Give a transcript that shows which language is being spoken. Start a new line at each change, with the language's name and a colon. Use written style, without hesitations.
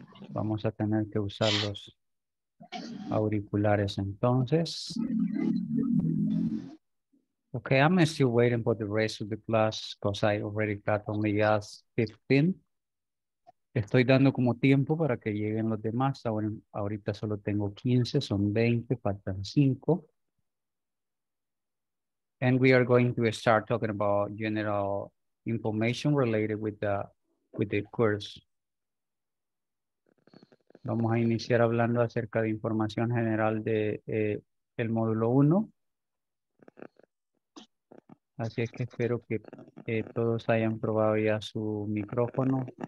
Spanish: Vamos a tener que usar los auriculares entonces.
English: Ok, I'm still waiting for the rest of the class because I already got only just 15.
Spanish: Estoy dando como tiempo para que lleguen los demás. Ahora, ahorita solo tengo 15, son 20, faltan 5.
English: And we are going to start talking about general information related with the course.
Spanish: Vamos a iniciar hablando acerca de información general de el módulo 1. Así es que espero que todos hayan probado ya su micrófono.